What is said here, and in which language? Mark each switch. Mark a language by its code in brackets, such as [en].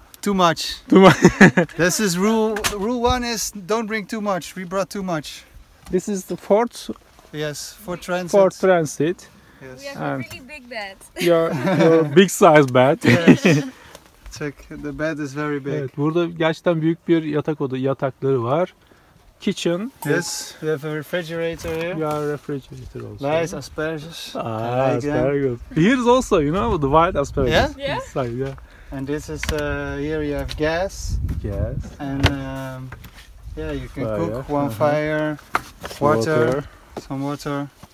[en] Too much. Too much. This is rule one is don't bring too much. We brought too much. This is the fourth. Yes, for transit. For transit. Yes. We have a really big bed. Your big size bed. Yes. Check, the bed is very big. [tr] Evet, burada gerçekten büyük bir yatak odası, yatakları var. [en] Kitchen. Yes, we have a refrigerator here. You have a refrigerator also. Nice asparagus. Ah, asparagus. Here's also, you know, the white asparagus. Yeah? Inside, yeah. And this is, here you have gas. Gas. And, you can fire. Cook one fire, water. Some water.